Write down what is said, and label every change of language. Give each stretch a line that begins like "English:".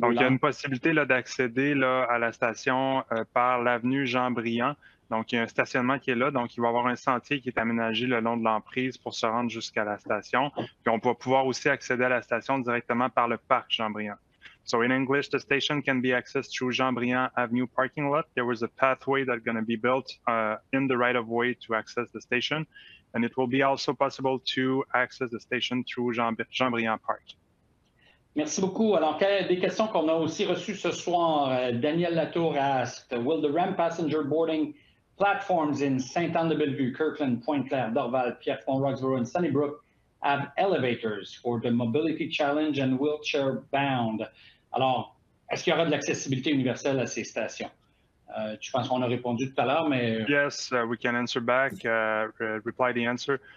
French: Donc, il y a une possibilité là, d'accéder là, à la station par l'avenue Jean-Briand. Donc, il y a un stationnement qui est là. Donc, il va y avoir un sentier qui est aménagé le long de l'emprise pour se rendre jusqu'à la station. Puis, on va pouvoir aussi accéder à la station directement par le parc Jean-Briand.
English: So in English, the station can be accessed through Jean-Briand Avenue parking lot. There was a pathway that's going to be built in the right-of-way to access the station. And it will be also possible to access the station through Jean-Briand Park.
French: Merci beaucoup. Alors, des questions qu'on a aussi reçues ce soir.
English: Daniel Latour asked, will the REM passenger boarding platforms in Saint-Anne-de-Bellevue, Kirkland, Pointe-Claire, Dorval, Pierrefonds-Roxboro, and Sunnybrook have elevators for the mobility challenge and wheelchair bound?
French: Alors, est-ce qu'il y aura de l'accessibilité universelle à ces stations? Je pense qu'on a répondu tout à l'heure, mais...
English: Yes, we can answer back, reply the answer.